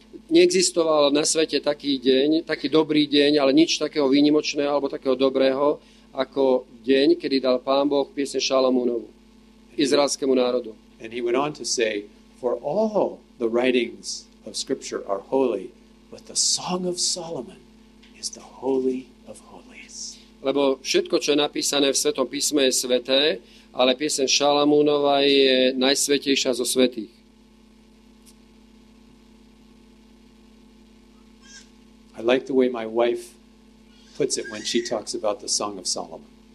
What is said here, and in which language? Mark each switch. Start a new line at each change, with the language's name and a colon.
Slovak: Neexistoval na svete taký deň, taký dobrý deň, ale nič takého výnimočného alebo takého dobrého ako deň, kedy dal Pán Boh piesne Šalamúnovu izraelskému národu.
English: And he went on to say, for all the writings of scripture are holy, but the Song of Solomon is the holy of holies.
Slovak: Lebo všetko, čo je napísané v Svetom písme, je sveté, ale pieseň Šalamúnova je najsvetejšia zo svätých.
English: I like the way my wife puts it when she talks about the Song of Solomon.